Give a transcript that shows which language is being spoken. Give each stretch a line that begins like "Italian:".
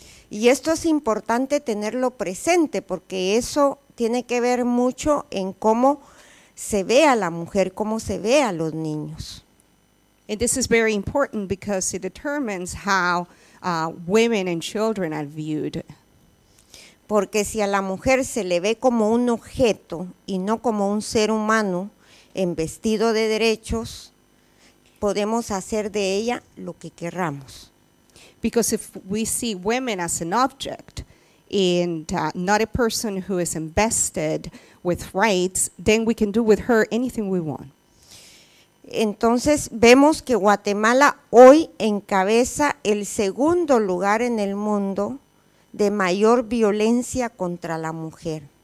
Spanish: Y esto es importante tenerlo presente porque eso tiene que ver mucho en cómo se ve a la mujer, cómo se ve a los niños.
English: And this is very important because it determines how women and children are viewed.
Spanish: Porque si a la mujer se le ve como un objeto y no como un ser humano en vestido de derechos, podemos hacer de ella lo que querramos.
English: Because if we see women as an object and not a person who is invested with rights, then we can do with her anything we want.
Spanish: Entonces, vemos que Guatemala hoy encabeza el segundo lugar en el mundo de mayor violencia contra la mujer.